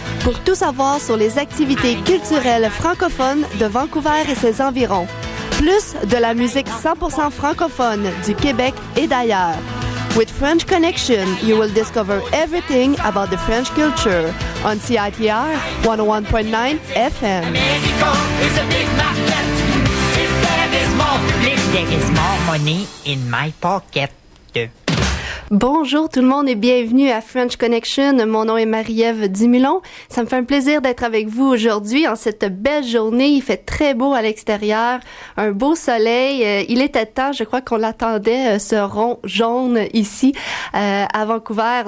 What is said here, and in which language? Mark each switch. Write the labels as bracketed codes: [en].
[fr] Pour tout savoir sur les activités culturelles francophones de Vancouver et ses environs. Plus de la musique 100% francophone du Québec et d'ailleurs. [en] With French Connection, you will discover everything about the French culture on CITR 101.9 FM. [fr] Bonjour tout le monde et bienvenue à French Connection. Mon nom est Marie-Ève Dumulon. Ça me fait un plaisir d'être avec vous aujourd'hui en cette belle journée. Il fait très beau à l'extérieur, un beau soleil. Il était temps, je crois qu'on l'attendait, ce rond jaune ici à Vancouver.